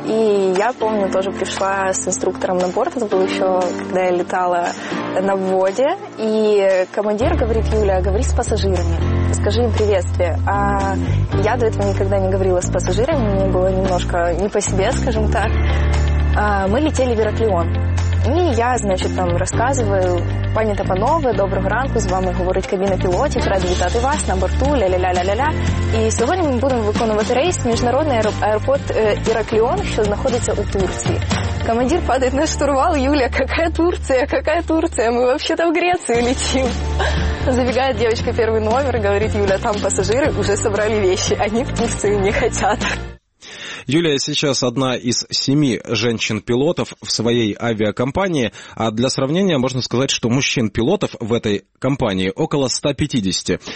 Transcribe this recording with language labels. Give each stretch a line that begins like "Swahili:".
Russian: И я помню, тоже пришла с инструктором на борт. Это было еще, когда я летала на вводе. И командир говорит, Юля, говори с пассажирами. Скажи им приветствие. А я до этого никогда не говорила с пассажирами. Мне было немножко не по себе, скажем так. Мы летели в Ираклион. И я, значит, там рассказываю,
Ukrainian: пані Тапанове, доброго ранку, з вами говорить кабіна пілотів, рад вітати вас на борту, ля-ля-ля-ля-ля-ля. І сьогодні ми будемо виконувати рейс в міжнародний аеропорт Іракліон, що знаходиться у Турції.
Russian: Командир падает на штурвал, Юля, какая Турция, мы вообще-то в Грецию летим. Забегает девочка первый номер, говорит, Юля, там пассажиры уже собрали вещи, они в Турцию не хотят. Юлия сейчас одна из 7 женщин-пилотов в своей авиакомпании, а для сравнения можно сказать, что мужчин-пилотов в этой компании около 150.